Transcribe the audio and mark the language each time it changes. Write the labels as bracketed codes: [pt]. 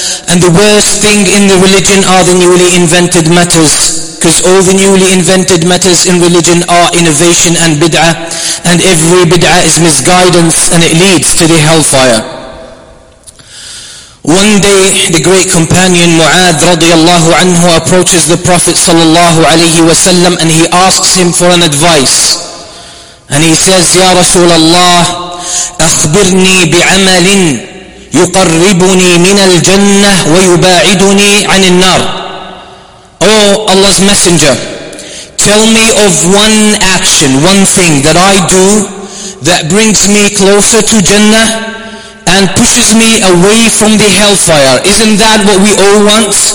[en] And the worst thing in the religion are the newly invented matters, because all the newly invented matters in religion are innovation and bid'ah, and every bid'ah is misguidance and it leads to the hellfire. One day the great companion Mu'adh radiallahu anhu approaches the Prophet sallallahu alayhi wa sallam and he asks him for an advice. And he says, [ar] Ya Rasulallah, أخبرني بعمل يقربني من الجنة ويباعدني عن النار. [en] O Allah's Messenger, tell me of one action, one thing that I do that brings me closer to Jannah and pushes me away from the hellfire. Isn't that what we all want?